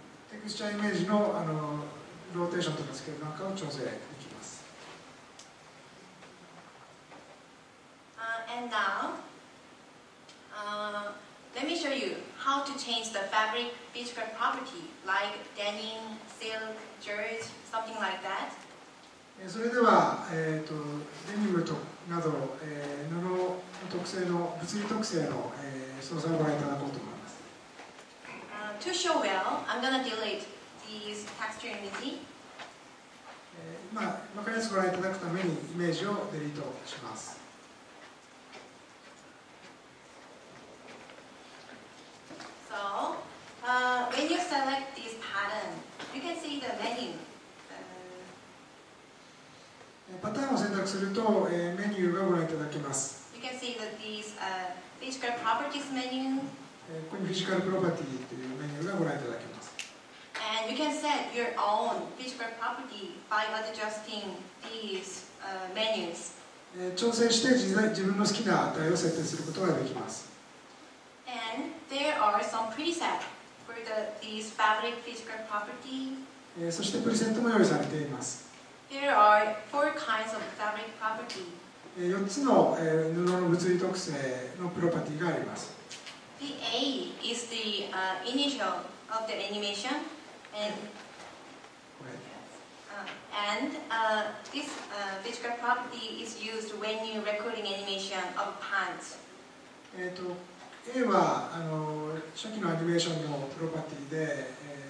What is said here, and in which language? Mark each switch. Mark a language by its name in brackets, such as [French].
[Japanese] テクスチャーイメージ の, ローテーションとかスケールなんかを調整できます。 [English] And now, let me show you how to change the fabric physical property like denim, silk, jersey, something like that. [Japanese] それでは、デニムとなど、布の特性の物理特性の、操作をご覧いただこうと思います。 [English] To show well, I'm gonna delete these texture image. [Japanese] まあ、分かりやすくご覧いただくためにイメージをデリートします。 [English] So, when you select this pattern, you can see the menu. [Japanese] パターンを選択すると、メニューがご覧いただけます。 [English] You can see that these, physical properties menu. [Japanese] ここにフィジカルプロパティというメニューがご覧いただけます。 [English] And you can set your own physical property by adjusting these, menus. [Japanese] 調整して自分の好きな値を設定することができます。 [English] And there are some presets for the, these fabric physical property. [Japanese] そしてプリセットも用意されています。 [English] There are four kinds of fabric property. [Japanese] 4つの布の物理特性のプロパティがあります。 [English] The A is the initial of the animation, and this physical property is used when you recording animation of pants. [Japanese] A は初期のアニメーションのプロパティで。